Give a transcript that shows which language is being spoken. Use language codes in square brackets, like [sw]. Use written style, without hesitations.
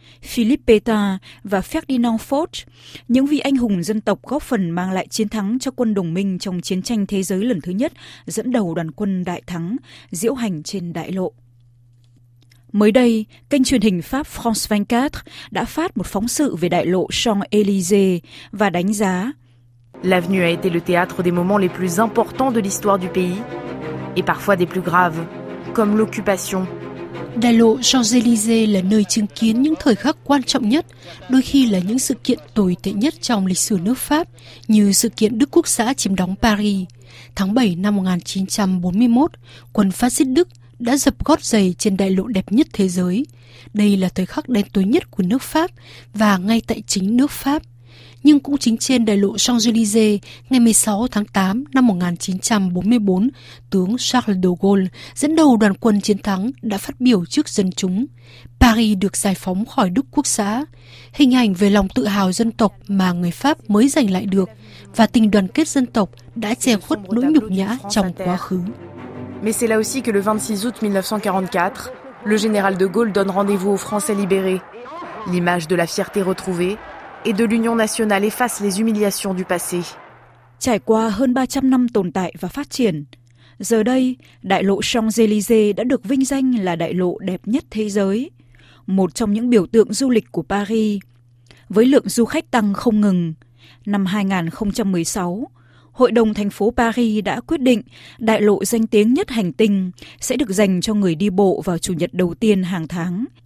[vi] Philippe Pétain và Ferdinand Foch, những vị anh hùng dân tộc góp phần mang lại chiến thắng cho quân đồng minh trong chiến tranh thế giới lần thứ nhất, dẫn đầu đoàn quân đại thắng, diễu hành trên đại lộ. Mới đây, kênh truyền hình Pháp France 24 đã phát một phóng sự về đại lộ Champs-Élysées và đánh giá: [fr] L'avenue a été le théâtre des moments les plus importants de l'histoire du pays et parfois des plus graves, comme l'occupation. [vi] Đại lộ Champs-Élysées là nơi chứng kiến những thời khắc quan trọng nhất, đôi khi là những sự kiện tồi tệ nhất trong lịch sử nước Pháp, như sự kiện Đức Quốc xã chiếm đóng Paris. Tháng 7 năm 1941, quân phát xít Đức đã dập gót giày trên đại lộ đẹp nhất thế giới. Đây là thời khắc đen tối nhất của nước Pháp và ngay tại chính nước Pháp. Nhưng cũng chính trên đại lộ Champs-Élysées, ngày 16 tháng 8 năm 1944, tướng Charles de Gaulle dẫn đầu đoàn quân chiến thắng đã phát biểu trước dân chúng. Paris được giải phóng khỏi Đức Quốc xã. Hình ảnh về lòng tự hào dân tộc mà người Pháp mới giành lại được và tình đoàn kết dân tộc đã che khuất nỗi nhục nhã trong quá khứ. [fr] Mais c'est là aussi que le 26 août 1944, le général de Gaulle donne rendez-vous aux Français libérés. L'image de la fierté retrouvée et de l'union nationale efface les humiliations du passé. [vi] Trải qua hơn 300 năm tồn tại và phát triển, giờ đây, đại lộ Champs-Élysées đã được vinh danh là đại lộ đẹp nhất thế giới, một trong những biểu tượng du lịch của Paris. Với lượng du khách tăng không ngừng, năm 2016, Hội đồng thành phố Paris đã quyết định đại lộ danh tiếng nhất hành tinh sẽ được dành cho người đi bộ vào chủ nhật đầu tiên hàng tháng.